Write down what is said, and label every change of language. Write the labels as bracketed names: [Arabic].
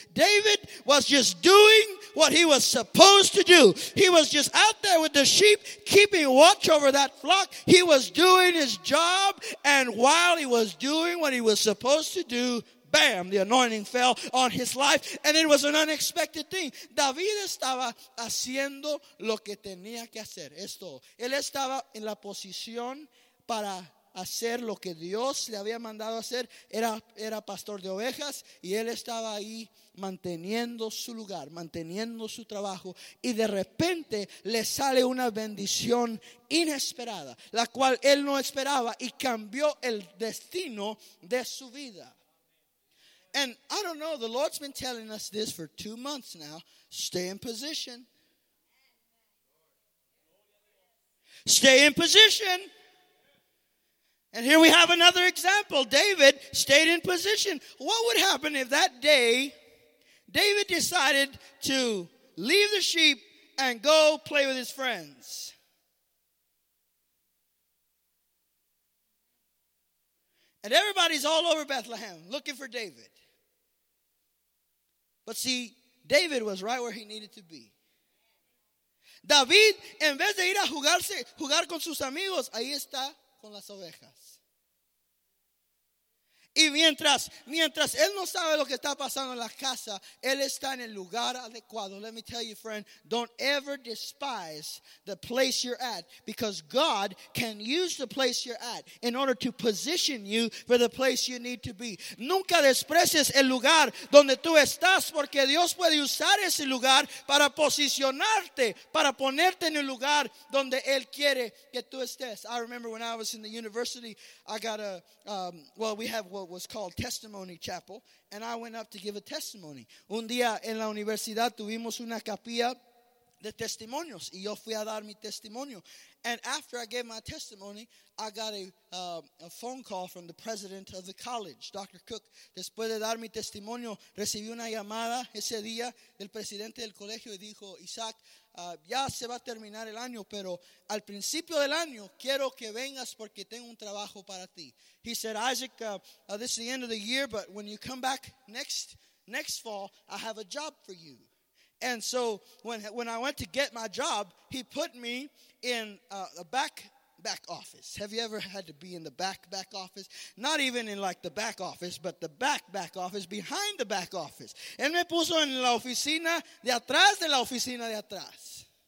[English] David was just doing what he was supposed to do. He was just out there with the sheep, keeping watch over that flock. He was doing his job, and while he was doing what he was supposed to do, bam, the anointing fell on his life, and it was an unexpected thing. [Spanish] David estaba haciendo lo que tenía que hacer. Esto, él estaba en la posición para hacer lo que Dios le había mandado hacer. Era pastor de ovejas y él estaba ahí manteniendo su lugar, manteniendo su trabajo, y de repente le sale una bendición inesperada, la cual él no esperaba, y cambió el destino de su vida. [English] And I don't know, the Lord's been telling us this for 2 months now. Stay in position. Stay in position. And here we have another example. David stayed in position. What would happen if that day David decided to leave the sheep and go play with his friends? And everybody's all over Bethlehem looking for David. But see, David was right where he needed to be. [Spanish] David, en vez de ir a jugar con sus amigos, ahí está con las ovejas. Y mientras él no sabe lo que está pasando en la casa, él está en el lugar adecuado. [English] Let me tell you, friend, don't ever despise the place you're at, because God can use the place you're at in order to position you for the place you need to be. [Spanish] Nunca desprecies el lugar donde tú estás, porque Dios puede usar ese lugar para posicionarte, para ponerte en el lugar donde él quiere que tú estés. [English] I remember when I was in the university, I got a, we have what was called Testimony Chapel, and I went up to give a testimony. [Spanish] Un día en la universidad tuvimos una capilla de testimonios, y yo fui a dar mi testimonio. [English] And after I gave my testimony, I got a phone call from the president of the college, Dr. Cook. [Spanish] Después de dar mi testimonio, recibí una llamada ese día del presidente del colegio y dijo, Isaac, ya se va a terminar el año, pero al principio del año quiero que vengas porque tengo un trabajo para ti. [English] He said, Isaac, this is the end of the year, but when you come back next fall, I have a job for you. And so when I went to get my job, he put me in a back office. Have you ever had to be in the back office? Not even in like the back office, but the back office, behind the back office. [Spanish] Él me puso en la oficina de la oficina de atrás.